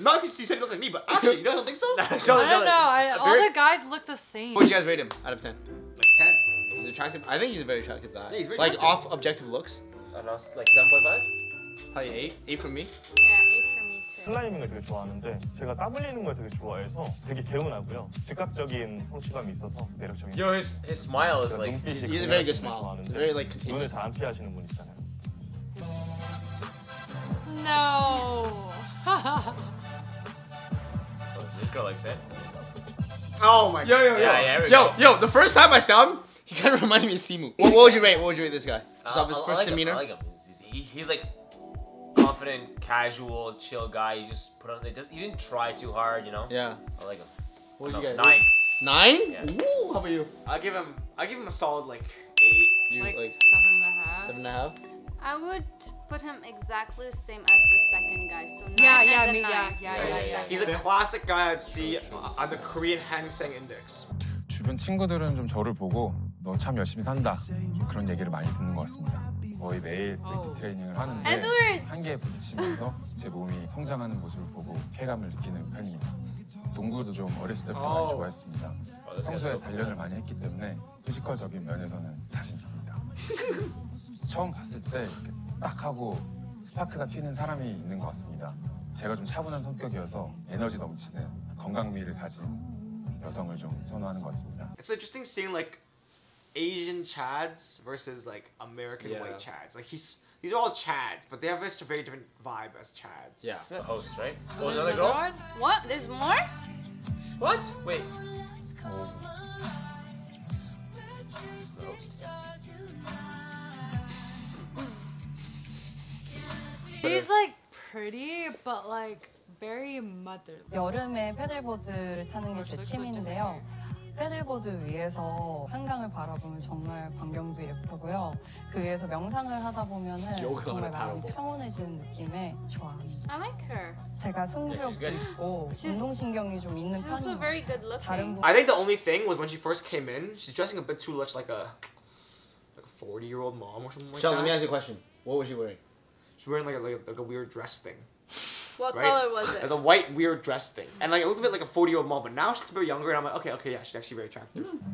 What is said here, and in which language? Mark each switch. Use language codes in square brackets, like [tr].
[en] Not because you said he looks like me, but actually, you don't think so? I don't know. All the guys look the same. What would you guys rate him out of 10? Like 10. He's attractive. I think he's a very attractive guy. Yeah, he's very like off objective looks. I don't know, like 7.5? Probably 8. 8 for me? Yeah, 8 for me. [ko] 클라이밍을 되게 좋아하는데 제가 땀 흘리는 걸 되게 좋아해서 되게 개운하고요. 즉각적인 성취감이 있어서 매력적입니다. [en] Yo, his smile is like he's a very good smile. [ko] 좋아하는데, [en] very like continuous. [ko] 눈을 잘 안 피하시는 분 있잖아요. [en] No. So this girl likes it. Oh my god. Yo, the first time I saw him, he kind of reminded me of Simu. What would you rate? What would you rate this guy? Just off his first demeanor? I like him. He's like confident, casual, chill guy. He didn't try too hard, you know? Yeah. I like him. What do you guys? 9. 9? Yeah. Ooh, how about you? I'll give him a solid like 8. Like 7.5. 7.5? I would put him exactly the same as the second guy. So 9. Yeah, and yeah, then me, 9. Yeah. He's a classic guy I'd see on the Korean Hang Seng Index. [ko] 주변 친구들은 좀 저를 보고 너 참 열심히 산다 그런 얘기를 많이 듣는 것 같습니다. 거의 매일 웨이트 트레이닝을 하는데 [en] Edward. [ko] 한계에 부딪히면서 제 몸이 성장하는 모습을 보고 쾌감을 느끼는 편입니다. 농구도 좀 어렸을 때부터 많이 좋아했습니다. 평소에 단련을 많이 했기 때문에 피지컬적인 면에서는 자신 있습니다. 처음 봤을 때 딱 하고 스파크가 튀는 사람이 있는 것 같습니다. 제가 좀 차분한 성격이어서 에너지 넘치는 건강미를 가진 여성을 좀 선호하는 것 같습니다. [en] It's interesting seeing like Asian Chads versus like American white Chads. Like these are all Chads, but they have such a very different vibe as Chads. Yeah. The host, right? Oh, another girl? One? What? There's more? What? Wait. She's like pretty, but like very motherly. [ko] 여름에 패들보드를 타는 게 제 취미인데요. 패들보드 위에서 한강을 바라보면 정말 광경도 예쁘고요. 그 위에서 명상을 하다 보면은 정말 마음이 평온해지는 느낌에 좋아합니다. [en] I like her. [ko] 제가 승부욕도 있고 운동신경이 좀 있는 편이고 [en] very good looking. I think the only thing was when she first came in, she's dressing a bit too much like a 40-year-old mom or something like that. Let me ask you a question. What was she wearing? She's wearing like a weird dress thing. What color was it? It was a white, weird dress thing. And like it looked a bit like a 40-year-old mom, but now she's a bit younger, and I'm like, okay, yeah, she's actually very attractive.